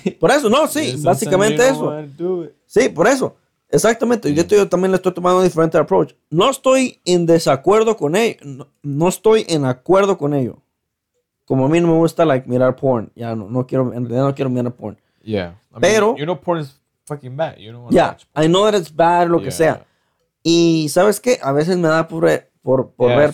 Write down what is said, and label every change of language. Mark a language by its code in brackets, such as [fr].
[es] Por eso, no, sí, básicamente eso. Sí, por eso. Exactamente. Yo también le estoy tomando un diferente approach. No estoy en desacuerdo con ello. No estoy en acuerdo con ello. Como a mí no me gusta like mirar porn. Ya no quiero, en realidad no quiero mirar porn. [en] Yeah. [es] Pero, [en] mean, you know porn is fucking bad. You don't want to watch porn. I know that it's bad, [es] lo que sea. Y, ¿sabes qué? A veces me da por ver porn.